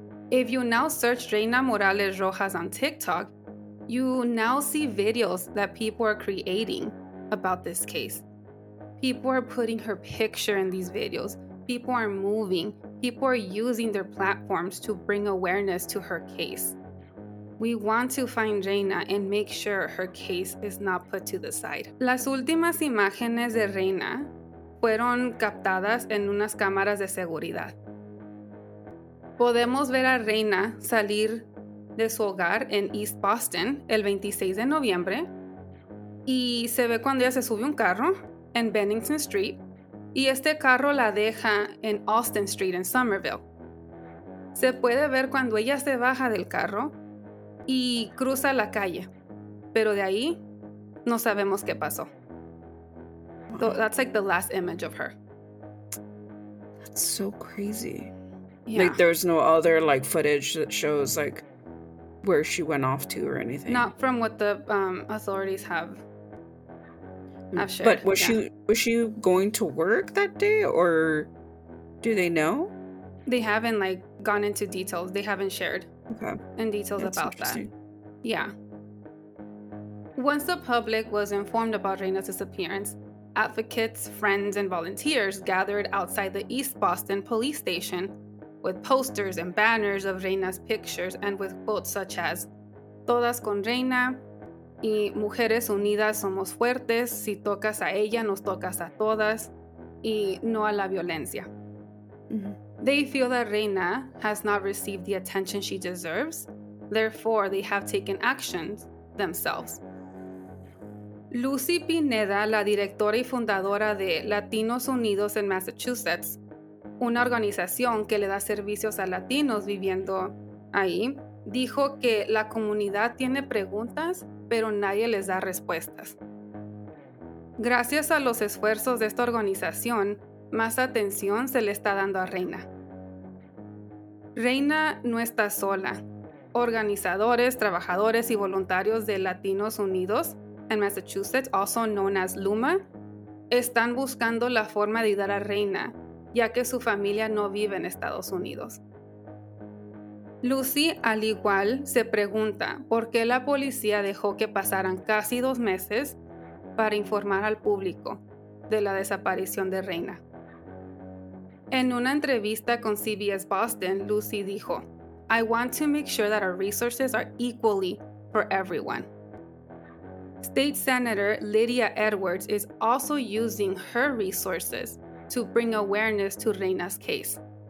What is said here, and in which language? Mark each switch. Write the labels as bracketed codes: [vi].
[en] If you now search Reina Morales Rojas on TikTok, you now see videos that people are creating about this case. People are putting her picture in these videos. People are moving. People are using their platforms to bring awareness to her case. We want to find Reina and make sure her case is not put to the side. [es] Las últimas imágenes de Reina fueron captadas en unas cámaras de seguridad. Podemos ver a Reina salir de su hogar en East Boston el 26 de noviembre. Y se ve cuando ella se sube un carro en Bennington Street. Y este carro la deja en Austin Street en Somerville. Se puede ver cuando ella se baja del carro y cruza la calle. Pero de ahí no sabemos qué pasó. [en] So that's like the last image of her. That's so crazy. Yeah. Like, there's no other, like, footage that shows, like, where she went off to or anything. Not from what the authorities have shared. But was she going to work that day, or do they know? They haven't, like, gone into details. They haven't shared okay. in details That's about that. Yeah. Once the public was informed about Reina's disappearance, advocates, friends, and volunteers gathered outside the East Boston police station with posters and banners of Reina's pictures and with quotes such as [es] Todas con Reina y Mujeres Unidas Somos Fuertes, si tocas a ella nos tocas a todas y no a la violencia. [en] Mm-hmm. They feel that Reina has not received the attention she deserves, therefore they have taken actions themselves. [es] Lucy Pineda, la directora y fundadora de Latinos Unidos en Massachusetts, una organización que le da servicios a latinos viviendo ahí, dijo que la comunidad tiene preguntas, pero nadie les da respuestas. Gracias a los esfuerzos de esta organización, más atención se le está dando a Reina. Reina no está sola. organizadores, trabajadores y voluntarios de Latinos Unidos en Massachusetts, [en] also known as LUMA, [es] están buscando la forma de ayudar a Reina, ya que su familia no vive en Estados Unidos. Lucy, al igual, se pregunta por qué la policía dejó que pasaran casi 2 meses para informar al público de la desaparición de Reina. En una entrevista con CBS Boston, Lucy dijo, [en] "I want to make sure that our resources are equally for everyone." State Senator Lydia Edwards is also using her resources to bring awareness to Reina's case.